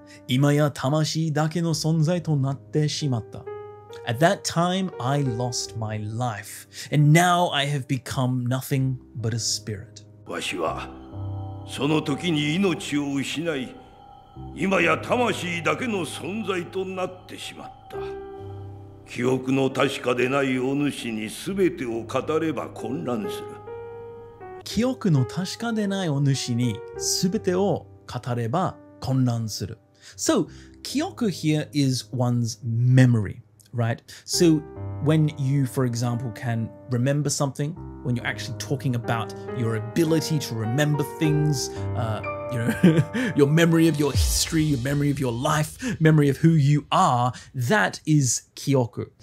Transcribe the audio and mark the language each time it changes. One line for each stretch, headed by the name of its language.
Japanese: 今や魂だけの存在となってしまった。
English: At that time, I lost my life, and now I have become nothing but a spirit.
Japanese: わしはその時に命を失い、今や魂だけの存在となってしまった。記憶の確かでないお主に全てを語れば混乱する。記憶の確かでないお主に全てを語れば混乱する。
English: So, kyoku here is one's memory, right? So, when you, for example, can remember something, when you're actually talking about your ability to remember things, you know, your memory of your history, your memory of your life, memory of who you are, that is kyoku.